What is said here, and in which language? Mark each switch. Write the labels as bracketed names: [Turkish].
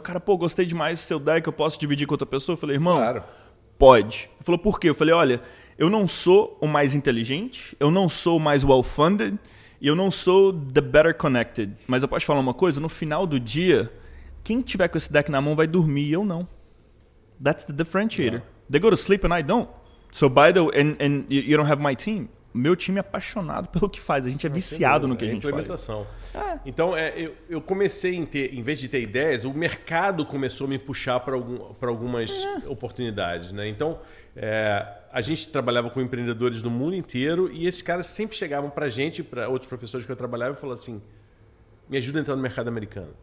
[Portuguese] Cara, pô, gostei demais do seu deck, eu posso dividir com outra pessoa? Eu falei, irmão, claro. Pode. Ele falou, por quê? Eu falei, olha, eu não sou o mais inteligente, eu não sou o mais well-funded, e eu não sou [English] the better connected. [Portuguese] Mas eu posso falar uma coisa? No final do dia, quem tiver com esse deck na mão vai dormir, e eu não. [English] That's the differentiator. Yeah. They go to sleep and I don't. So by the way, and you don't have my team. [Portuguese] Meu time é apaixonado pelo que faz. A gente é viciado no que a gente faz. Implementação. Então, eu comecei em vez de ter ideias, o mercado começou a me puxar para algumas oportunidades, né? Então, a gente trabalhava com empreendedores do mundo inteiro e esses caras sempre chegavam para a gente, para outros professores que eu trabalhava e falavam assim, me ajuda a entrar no mercado americano.